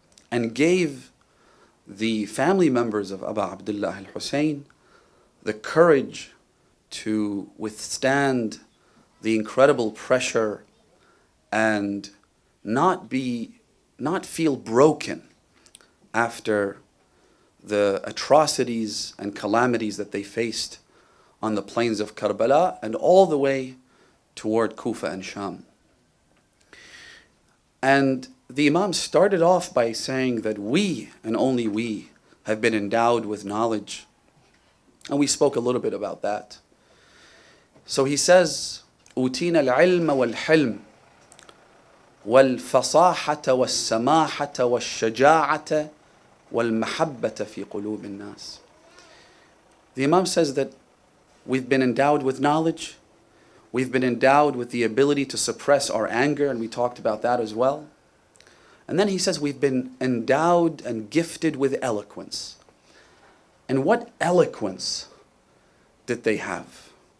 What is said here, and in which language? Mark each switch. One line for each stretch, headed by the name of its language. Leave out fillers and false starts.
English: and gave the family members of Abu Abdullah al-Husayn the courage to withstand the incredible pressure and not feel broken after the atrocities and calamities that they faced on the plains of Karbala and all the way toward Kufa and Sham. And the Imam started off by saying that we, and only we, have been endowed with knowledge. And we spoke a little bit about that. So he says,
Arabic: أُوتِينَ الْعِلْمَ وَالْحِلْمَ وَالْفَصَاحَةَ وَالسَّمَاحَةَ وَالشَّجَاعَةَ وَالْمَحَبَّةَ فِي قُلُوبِ النَّاسِ.
English: The Imam says that we've been endowed with knowledge. We've been endowed with the ability to suppress our anger, and we talked about that as well. And then he says we've been endowed and gifted with eloquence. And what eloquence did they have?